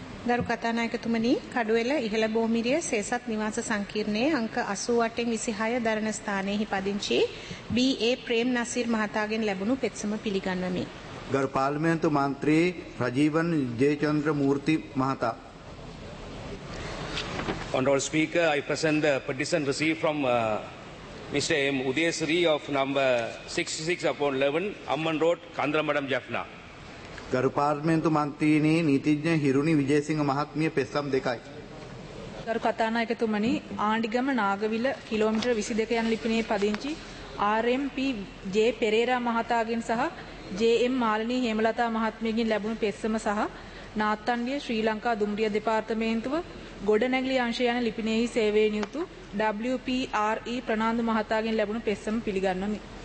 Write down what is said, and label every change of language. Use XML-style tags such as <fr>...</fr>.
<si>ගරු කතානායකතුමනි, කඩුවෙල ඉහළ බෝමිරිය සේසත් නිවාස සංකීර්ණයේ අංක 88-26 දරණ ස්ථානයේහි පදිංචි බී.ඒ. ප්‍රේම් නසීර් මහතාගෙන් ලැබුණු පෙත්සම පිළිගන්වමි. ගරු පාර්ලිමේන්තු මන්ත්‍රී රජීවන් ජයචන්ද්‍ර මූර්ති මහතා.</si> <en>Honorable Speaker, I present the petition received from Mr. M. Udayasiri of number 66/11, Amman Road, Kandramadam, Jaffna.</en> <si>ගරු පාර්ලිමේන්තු මන්ත්‍රීනි නීතිඥ හිරුනි විජේසිංහ මහත්මිය පෙස්සම් දෙකයි. ගරු කතානායකතුමනි, ආණ්ඩිගම නාගවිල කිලෝමීටර 22 යන ලිපිනයේ පදිංචි RMP ජේ පෙරේරා මහතාගෙන් සහ JM මාලනී හේමලතා මහත්මියගෙන් ලැබුණු පෙස්සම සහ නාත්තන්ගේ ශ්‍රී ලංකා දුම්රිය දෙපාර්තමේන්තුව ගොඩනැගිලි අංශය යන ලිපිනයෙහි සේවයේ නියුතු WPRE ප්‍රනාන්දු මහතාගෙන් ලැබුණු පෙස්සම පිළිගන්වමි.</si>